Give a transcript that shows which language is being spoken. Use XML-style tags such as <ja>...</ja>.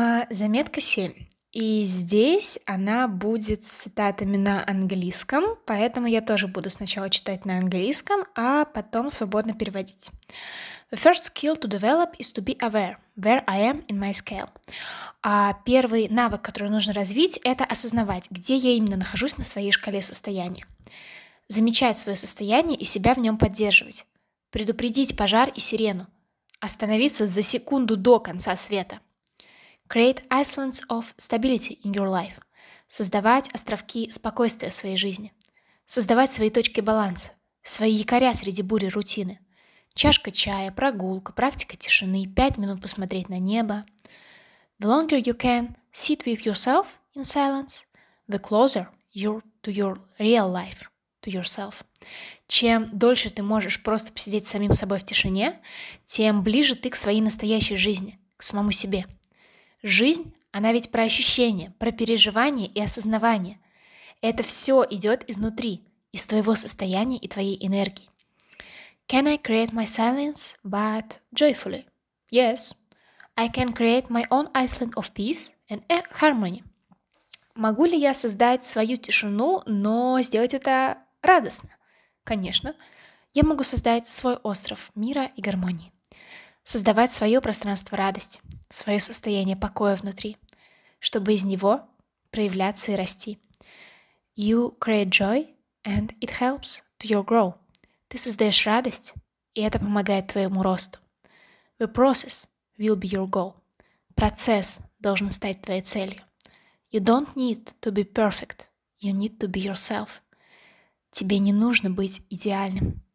<ru>Заметка 7. И здесь она будет с цитатами на английском, поэтому я тоже буду сначала читать на английском, а потом свободно переводить.</ru> <en>The first skill to develop is to be aware where I am in my scale.</en> <ru>А первый навык, который нужно развить, это осознавать, где я именно нахожусь на своей шкале состояния. Замечать свое состояние и себя в нем поддерживать. Предупредить пожар и сирену. Остановиться за секунду до конца света.</ru> <en>Create islands of stability in your life.</en> <ru>Создавать островки спокойствия в своей жизни. Создавать свои точки баланса, свои якоря среди бури рутины. Чашка чая, прогулка, практика тишины, 5 минут посмотреть на небо.</ru> <en>The longer you can sit with yourself in silence, the closer you're to your real life, to yourself.</en> <ru>Чем дольше ты можешь просто посидеть с самим собой в тишине, тем ближе ты к своей настоящей жизни, к самому себе. Жизнь, она ведь про ощущения, про переживания и осознавание. Это все идет изнутри, из твоего состояния и твоей энергии.</ru> <en>Can I create my silence, but joyfully? Yes. I can create my own island of peace and harmony.</en> <ru>Могу ли я создать свою тишину, но сделать это радостно? Конечно. Я могу создать свой остров мира и гармонии. Создавать свое пространство радости, свое состояние покоя внутри, чтобы из него проявляться и расти.</ru> <en>You create joy and it helps to your grow.</en> <ru>Ты создаешь радость, и это помогает твоему росту.</ru> <en>The process will be your goal.</en> <ru>Процесс должен стать твоей целью.</ru> <en>You don't need to be perfect. You need to be yourself.</en> <ru>Тебе не нужно быть идеальным.</ru>